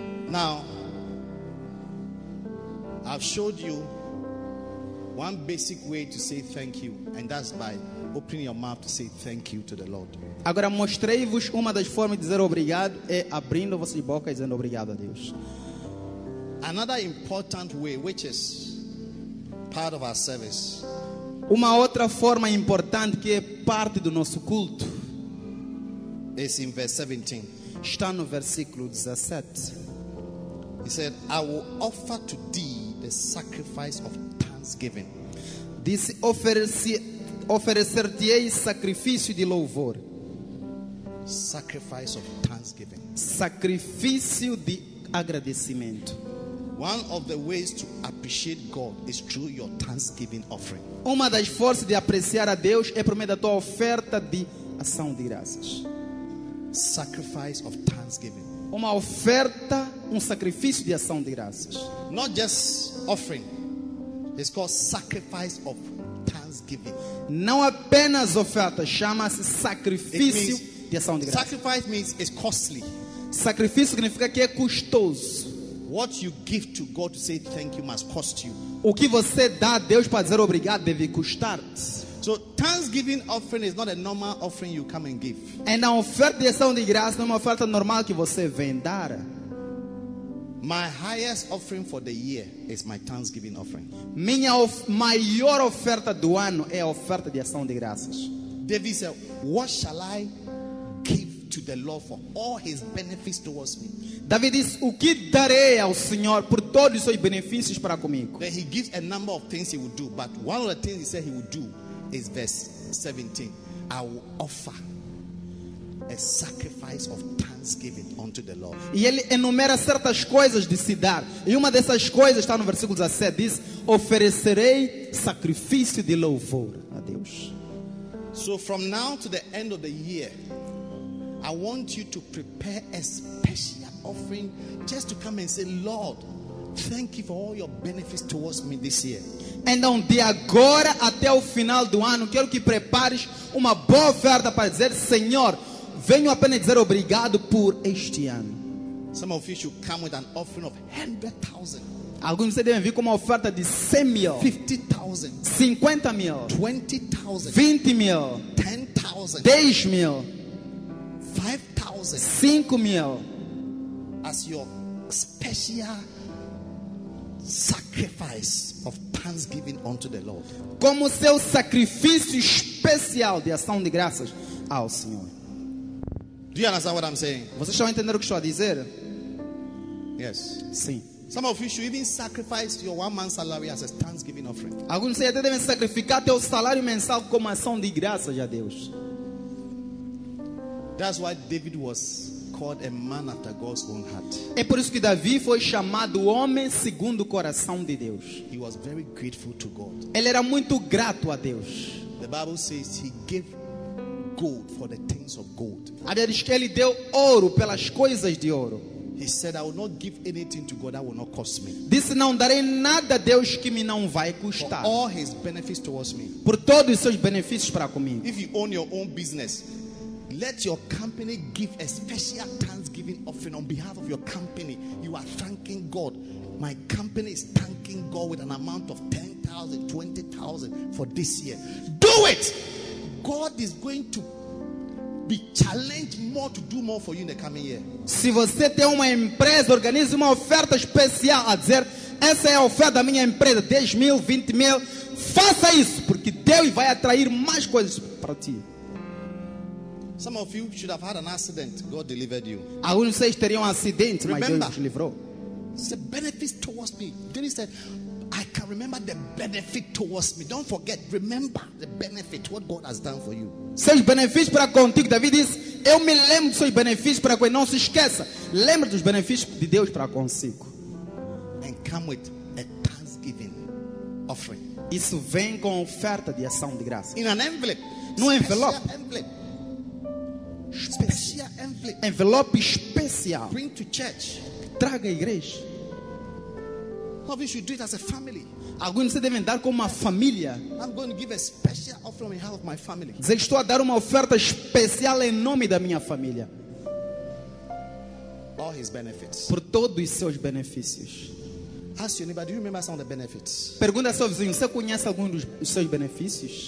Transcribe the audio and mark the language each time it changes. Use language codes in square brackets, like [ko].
[en] Now, I've showed you one basic way to say thank you, and that's by opening your mouth to say thank you to the Lord. [pt] Agora mostrei-vos uma das formas de dizer obrigado é abrindo vossas bocas e dizendo obrigado a Deus. [en] Another important way, which is part of our service. [pt] Uma outra forma importante que é parte do nosso culto [en] is in verse 17. [pt] Está no versículo 17. [en] He said, "I will offer to thee the sacrifice of thanksgiving." [pt] Disse, oferecer-te-ei sacrifício de louvor. [en] Sacrifice of thanksgiving. [pt] Sacrifício de agradecimento. [en] One of the ways to appreciate God is through your thanksgiving offering. [pt] Uma das formas de apreciar a Deus é por meio da tua oferta de ação de graças. [en] Sacrifice of thanksgiving. [pt] Uma oferta, sacrifício de ação de graças. [en] Not just offering. It's called sacrifice of thanksgiving. [pt] Não apenas oferta, chama-se sacrifício de ação de graças. [en] Sacrifice means it's costly. [pt] Sacrifício significa que é custoso. [en] What you give to God to say thank you must cost you. [pt] O que você dá a Deus para dizer obrigado deve custar. [en] So thanksgiving offering is not a normal offering you come and give. [pt] And a oferta de ação de graça não é uma oferta normal que você vem dar. [en] My highest offering for the year is my thanksgiving offering. [pt] Minha maior oferta do ano é a oferta de ação de graças. [en] David said, "What shall I give to the Lord for all his benefits towards me?" [pt] David diz, o que darei ao Senhor por todos os seus benefícios para comigo? [en] Then he gives a number of things he will do, but one of the things he said he will do is verse 17. "I will offer a sacrifice of thanksgiving unto the Lord." [pt] E ele enumera certas coisas de se dar. E uma dessas coisas está no versículo 17, diz, oferecerei sacrifício de louvor a Deus. [en] So from now to the end of the year, I want you to prepare a special offering just to come and say, "Lord, thank you for all your benefits towards me this year." [pt] Então, de agora até o final do ano, quero que prepares uma boa oferta para dizer, "Senhor, venho apenas dizer obrigado por este ano." [en] Some of you should come with an offering of 100,000. [pt] Alguns de vocês devem vir com uma oferta de 100 mil, [en] 50,000, [pt] 50 mil, [en] 20,000, [pt] 20 mil, [en] 10,000, [pt] 10 mil. [en] 5,000. [pt] 5,000 [en] as your special sacrifice of thanksgiving unto the Lord. [pt] Como seu sacrifício especial de ação de graças ao Senhor. [en] Do you understand what I'm saying? [pt] Vocês estão entendendo o que estou a dizer? [en] Yes. [pt] Sim. [en] Some of you should even sacrifice your 1 month salary as a thanksgiving offering. [pt] Alguns de vocês até devem sacrificar teu salário mensal como ação de graças a Deus. [en] That's why David was called a man after God's own heart. [pt] É por isso que Davi foi chamado homem segundo o coração de Deus. [en] He was very grateful to God. [pt] Ele era muito grato a Deus. [en] The Bible says he gave gold for the things of gold. [pt] A Bíblia diz que ele deu ouro pelas coisas de ouro. [en] He said, "I will not give anything to God that will not cost me." [pt] Disse, não darei nada a Deus que me não vai custar. [en] For all his benefits towards me. [pt] Por todos os seus benefícios para comigo. [en] If you own your own business, let your company give a special thanksgiving offering on behalf of your company. You are thanking God. My company is thanking God with an amount of 10,000, 20,000 for this year. Do it! God is going to be challenged more to do more for you in the coming year. [pt] Se você tem uma empresa, organize uma oferta especial a dizer, essa é a oferta da minha empresa, 10 mil, 20 mil. Faça isso, porque Deus vai atrair mais coisas para ti. [en] Some of you should have had an accident. God delivered you. [pt] Alguns de vocês teriam um acidente, mas [en] remember, [pt] Deus te livrou. [en] The benefit towards me. Then he said, I can remember the benefit towards me. Don't forget, remember the benefit, what God has done for you. [pt] Seus benefícios para contigo, David diz, eu me lembro dos seus benefícios para contigo. Não se esqueça, lembra dos benefícios de Deus para consigo. [en] And come with a thanksgiving offering. [pt] Isso vem com oferta de ação de graça. [en] In an envelope. [pt] No envelope. [en] Envelope. Special envelope. [pt] Envelope especial. [en] Bring to church. [pt] Traga à igreja. [en] Of you should do it as a family. [pt] Alguns de vocês devem dar como uma família. [en] I'm going to give a special offering on behalf of my family. [pt] Dizer que estou a dar uma oferta especial em nome da minha família. [en] All his benefits. [pt] Por todos os seus benefícios. [en] Ask your neighbor, do you remember some of the benefits? [pt] Pergunta ao seu vizinho, você conhece algum dos seus benefícios?